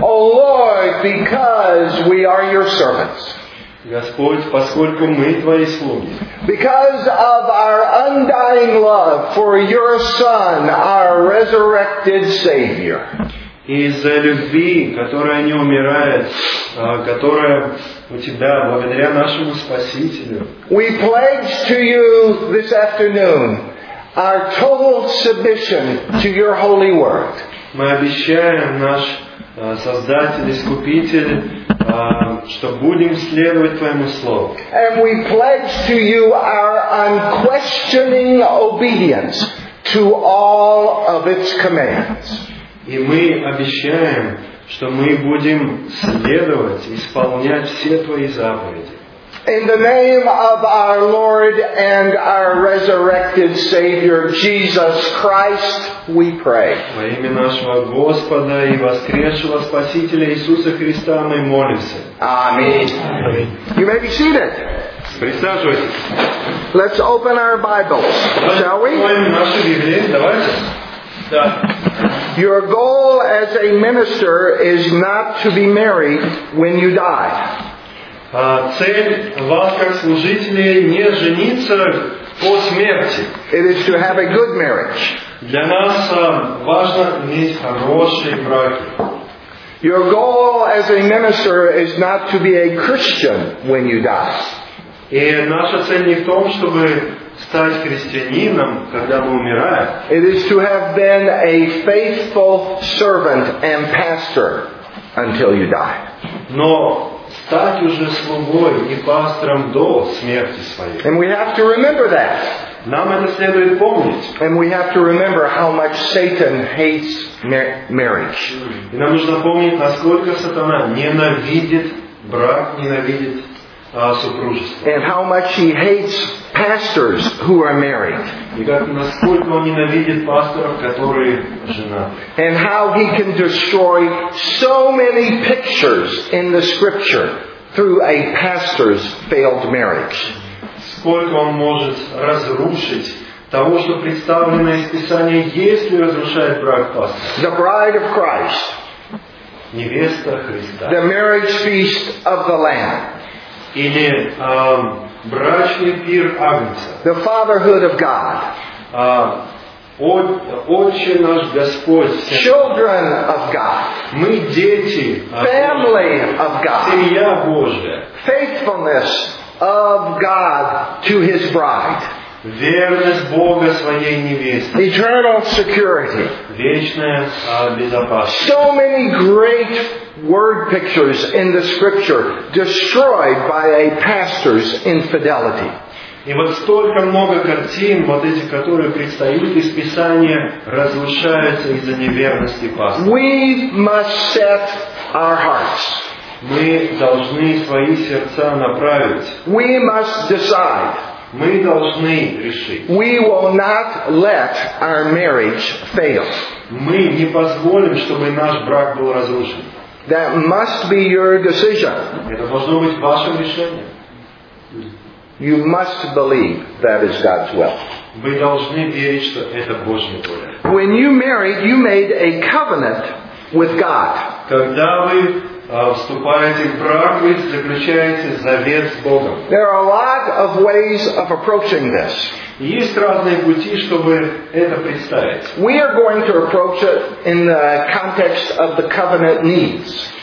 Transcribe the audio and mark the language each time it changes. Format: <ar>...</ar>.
<en>O Lord, because we are your servants.</en> <ru>Господь, поскольку мы твои слуги.</ru> <en>Because of our undying love for your Son, our resurrected Savior.</en> <ru>Из-за любви, которая не умирает, которая у тебя благодаря нашему Спасителю.</ru> <en>We pledge to you this afternoon our total submission to your holy word.</en> <ru>Мы обещаем наш Создатель, Искупитель, что будем следовать Твоему Слову.</ru> <en>And we pledge to you our unquestioning obedience to all of its commands.</en> <ru>И мы обещаем, что мы будем следовать, исполнять все Твои заповеди.</ru> <en>In the name of our Lord and our resurrected Savior, Jesus Christ, we pray.</en> <ru>Во имя нашего Господа и воскресшего Спасителя Иисуса Христа мы молимся.</ru> <en>Аминь. You may be seated.</en> <ru>Присаживайтесь.</ru> <en>Let's open our Bibles, shall we?</en> <ru>Откроем наши Библии, давайте.</ru> <en>Your goal as a minister is not to be married when you die.</en> <ru>Цель вас как служителей не жениться по смерти.</ru> <en>It is to have a good marriage.</en> <ru>Для нас важно иметь хороший брак.</ru> <en>Your goal as a minister is not to be a Christian when you die.</en> <ru>И наша цель не в том, чтобы стать христианином, когда мы умираем.</ru> <en>It is to have been a faithful servant and pastor until you die.</en> <ru>Но стать уже слугой и пастором до смерти своей.</ru> <en>And we have to remember that.</en> <ru>Нам это следует помнить.</ru> <en>And we have to remember how much Satan hates marriage.</en> <ru>И нам нужно помнить, насколько сатана ненавидит брак, ненавидит супружество.</ru> <en>And how much he hates pastors who are married.</en> <ru>И как, насколько он ненавидит пасторов, которые женаты.</ru> <en>And how he can destroy so many pictures in the scripture through a pastor's failed marriage.</en> <ru>Сколько он может разрушить того, что представлено из Писания, если разрушает брак пастора.</ru> <en>The bride of Christ.</en> <ru>Невеста Христа.</ru> <en>The marriage feast of the Lamb.</en> <ru>Или брачный пир Агнца.</ru> <en>The fatherhood of God.</en> <ru>Отче наш Господь.</ru> <en>Children of God.</en> <ru>Мы дети.</ru> <en>Family of God.</en> <ru>Семья Божия.</ru> <en>Faithfulness of God to His bride.</en> <ru>Верность Бога своей невесте.</ru> <en>Eternal security.</en> <ru>Вечная безопасность.</ru> <en>So many great word pictures in the scripture destroyed by a pastor's infidelity.</en> <ru>И вот столько много картин, вот эти, которые предстают из Писания, разрушаются из-за неверности пастора.</ru> <en>We must set our hearts.</en> <ru>Мы должны свои сердца направить.</ru> <en>We must decide.</en> <ru>Мы должны решить.</ru> <en>We will not let our marriage fail.</en> <ru>Мы не позволим, чтобы наш брак был разрушен.</ru> <en>That must be your decision.</en> <ru>Это должно быть вашим решением.</ru> <en>You must believe that is God's will.</en> <ru>Вы должны верить, что это Божья воля.</ru> <en>When you married, you made a covenant with God.</en> <ru>Когда вы вступаете в брак, вы заключаете завет с Богом.</ru> <en>There are a lot of ways of approaching this.</en> <ru>Есть разные пути, чтобы это представить.</ru> <en>We are going to approach it in the context of the covenant needs.</en>